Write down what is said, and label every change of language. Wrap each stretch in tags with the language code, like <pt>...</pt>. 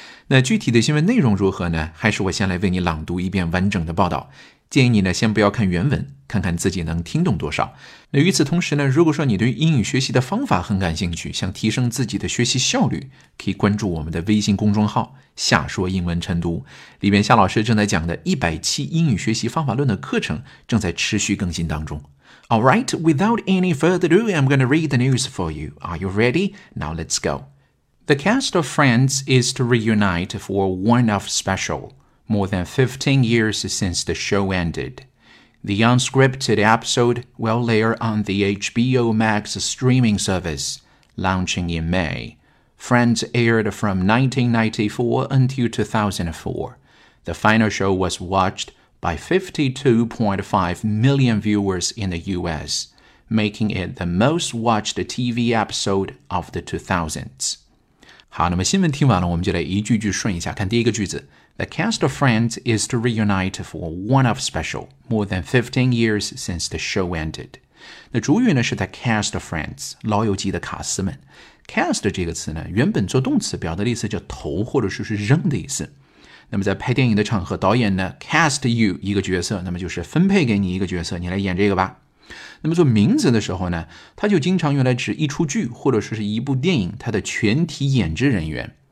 <zh>那具体的新闻内容如何呢？还是我先来为你朗读一遍完整的报道，建议你呢先不要看原文，看看自己能听懂多少。那与此同时呢，如果说你对英语学习的方法很感兴趣，想提升自己的学习效率，可以关注我们的微信公众号夏说英文晨读，里面夏老师正在讲的100期英语学习方法论的课程正在持续更新当中。</zh> <en>Alright, without any further ado, I'm going to read the news for you. Are you ready? Now let's go. The cast of Friends is to reunite for one-off special. More than 15 years since the show ended. The unscripted episode will layer on the HBO Max streaming service, launching in May. Friends aired from 1994 until 2004. The final show was watched by 52.5 million viewers in the US, making it the most watched TV episode of the 2000s.</en> <zh>好，那么新闻听完了，我们就来一句句顺一下，看第一个句子。</zh> <en>The cast of Friends is to reunite for one-off special, more than 15 years since the show ended.</en> <zh>那主语呢是</zh> <en>the cast of Friends,</en> <zh>老友记的卡斯们。 Cast 这个词呢，原本做动词表达的意思叫投或者说是扔的意思。那么在拍电影的场合，导演呢</zh> <en>cast you</en> <zh>一个角色，那么就是分配给你一个角色，你来演这个吧。那么做名词的时候呢，它就经常用来指一出剧或者说是一部电影它的全体演职人员。</zh>